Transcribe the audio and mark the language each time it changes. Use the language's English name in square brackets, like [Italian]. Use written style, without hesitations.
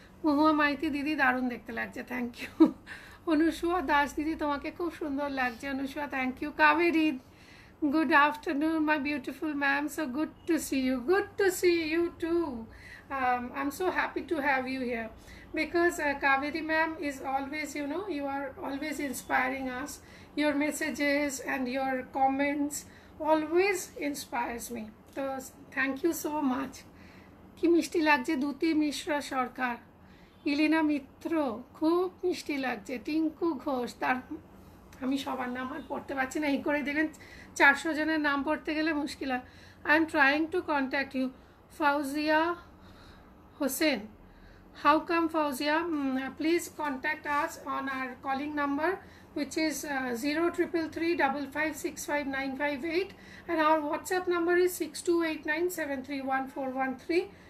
[Bangla] মহুয়া মাইতি দিদি, দারুণ দেখতে লাগছে, থ্যাংক ইউ। অনুসুয়া দাস দিদি, তোমাকে খুব সুন্দর লাগছে Anusuya, thank you. [English] Kaveri, good afternoon my beautiful ma'am, so good to see you, good to see you too, I am so happy to have you here, because Kaveri ma'am is always, you know, you are always inspiring us, your messages and your comments always inspires me. So thank you so much. [Bangla] কি মিষ্টি লাগছে দূতি মিশ্রা সরকার, ইলিনা মিত্র খুব মিষ্টি লাগছে, টিঙ্কু ঘোষ, তার আমি সবার নাম আর পড়তে পারছি না, এই করে দেখবেন 400 জনের নাম পড়তে গেলে মুশকিল হয়। [English] I am trying to contact you, Fauzia Hossain, how come Fauzia, please contact us on our calling number which is 0333-55-65-958 and our WhatsApp number is 6289-731413।